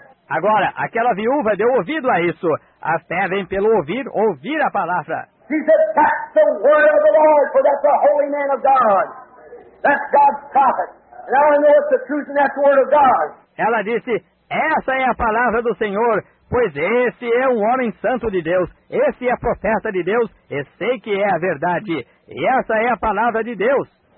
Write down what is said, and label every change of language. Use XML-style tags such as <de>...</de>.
<pt>Agora, aquela viúva deu ouvido a isso. A fé vem pelo ouvir, ouvir a palavra.</pt> <en>She said, that's the word of the Lord, for that's a holy man of God. That's God's prophet. And now I know it's the truth and that's the word of God.</en> <pt>Ela disse, essa é a palavra do Senhor. Pois esse é um homem santo de Deus, esse é profeta de Deus, e sei que é a verdade, e essa é a palavra de Deus.</pt>